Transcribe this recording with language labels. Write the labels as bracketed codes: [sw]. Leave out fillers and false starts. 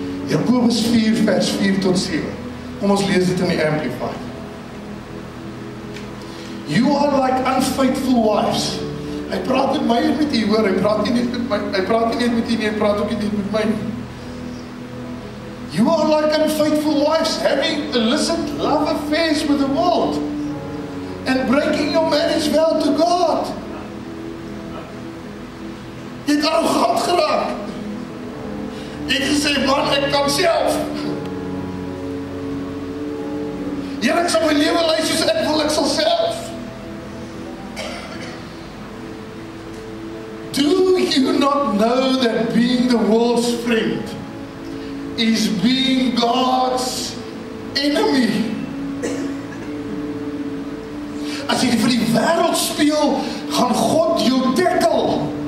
[af] Jakobus 4 vers 4 tot 7. Kom ons lees dit in die Amplified. [en] You are like unfaithful wives. [af] Hy praat met my en met jy hoor, hy praat nie met jy nie. [en] You are like unfaithful wives, having illicit love affairs with the world, and breaking your marriage vow to God. [af] Jy het aan God geraak. Jy het gesê, man, ek kan self. Jy het sal my lewe lei soos ek wil, ek sal self. [en] You not know that being the world's friend is being God's enemy? [af] As jy vir die wêreld speel, gaan God jou tackle.